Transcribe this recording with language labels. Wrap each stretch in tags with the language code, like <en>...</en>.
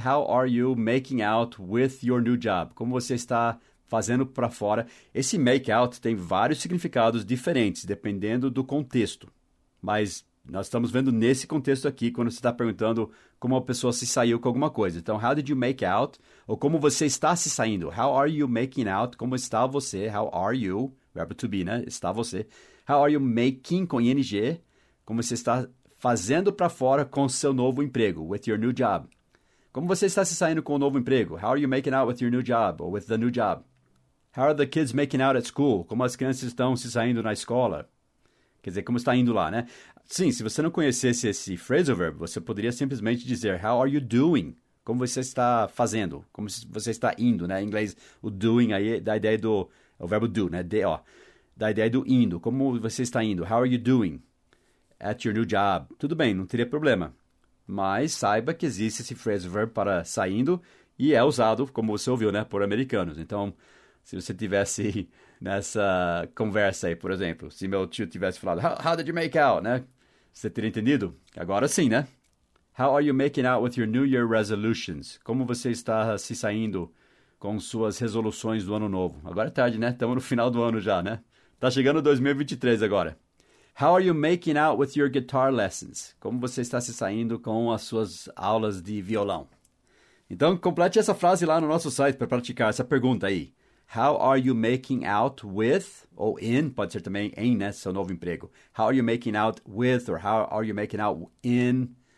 <en>How are you making out with your new job?</en> <pt>Como você está fazendo para fora? Esse make out tem vários significados diferentes, dependendo do contexto. Mas nós estamos vendo nesse contexto aqui, quando você está perguntando como a pessoa se saiu com alguma coisa. Então,</pt> <en>how did you make out?</en> <pt>Ou como você está se saindo?</pt> <en>How are you making out?</en> <pt>Como está você?</pt> <en>How are you?</en> <pt>Verbo to be, né? Está você.</pt> <en>How are you making</en> <pt>com</pt> <en>ing?</en> <pt>Como você está fazendo para fora com seu novo emprego?</pt> <en>With your new job.</en> <pt>Como você está se saindo com o novo emprego?</pt> <en>How are you making out with your new job? Or with the new job? How are the kids making out at school?</en> <pt>Como as crianças estão se saindo na escola? Quer dizer, como está indo lá, né? Sim, se você não conhecesse esse phrasal verb, você poderia simplesmente dizer,</pt> <en>how are you doing?</en> <pt>Como você está fazendo? Como você está indo, né? Em inglês, o doing aí dá a ideia do... É o verbo do, né? D-O. Dá a ideia do indo. Como você está indo?</pt> <en>How are you doing? At your new job.</en> <pt>Tudo bem, não teria problema. Mas saiba que existe esse phrasal verb para saindo e é usado, como você ouviu, né? Por americanos. Então, se você tivesse... Nessa conversa aí, por exemplo, se meu tio tivesse falado,</pt> <en>how did you make out,</en> <pt>né? Você teria entendido? Agora sim, né?</pt> <en>How are you making out with your New Year resolutions?</en> <pt>Como você está se saindo com suas resoluções do ano novo? Agora é tarde, né? Estamos no final do ano já, né? Está chegando 2023 agora.</pt> <en>How are you making out with your guitar lessons?</en> <pt>Como você está se saindo com as suas aulas de violão? Então, complete essa frase lá no nosso site para praticar essa pergunta aí.</pt> <en>How are you making out with, ou in,</en> <pt>pode ser também em, né, seu novo emprego.</pt> <en>How are you making out with, or how are you making out in,</en>